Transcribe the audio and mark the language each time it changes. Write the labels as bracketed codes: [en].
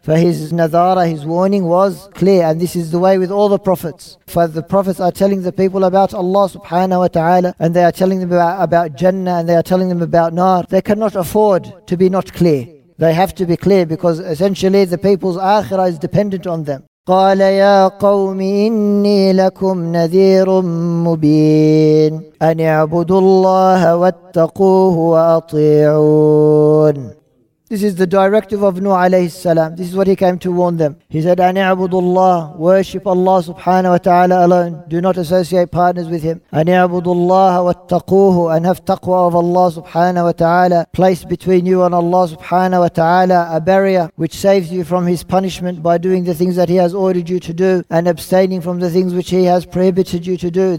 [en] For his nadhara, his warning was clear. And this is the way with all the prophets. For the prophets are telling the people about Allah subhanahu wa ta'ala, and they are telling them about Jannah, and they are telling them about Nar. They cannot afford to be not clear. They have to be clear, because essentially the people's akhirah is dependent on them. [ar] قال يا قوم إني لكم نذير مبين أن اعبدوا الله واتقوه وأطيعون. [en] This is the directive of Nuh alayhi salam. This is what he came to warn them. He said, "An i'budu Allah, worship Allah subhanahu wa ta'ala alone. Do not associate partners with him. [ar] An i'budu Allah wa attaquhu, [en] and have taqwa of Allah subhanahu wa ta'ala. Place between you and Allah subhanahu wa ta'ala a barrier which saves you from his punishment by doing the things that he has ordered you to do and abstaining from the things which he has prohibited you to do."